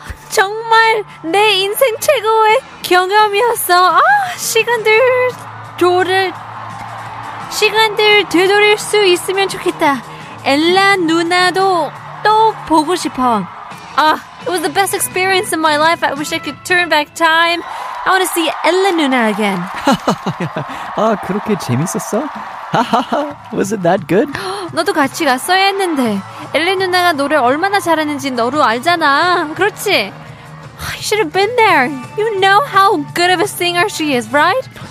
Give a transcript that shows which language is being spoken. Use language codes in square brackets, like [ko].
[ko] 정말 내 인생 최고의 경험이었어. 아, 시간들 되돌릴 수 있으면 좋겠다. 엘라 누나도 또 보고 싶어. [en] 아, it was the best experience in my life. I wish I could turn back time. I want to see 엘라 누나 again. [ko] 아, 그렇게 재밌었어? [en] Was it that good? [ko] 너도 같이 갔어야 했는데. 엘라 누나가 노래 얼마나 잘하는지 너도 알잖아. 그렇지? [en] I should have been there. You know how good of a singer she is, right?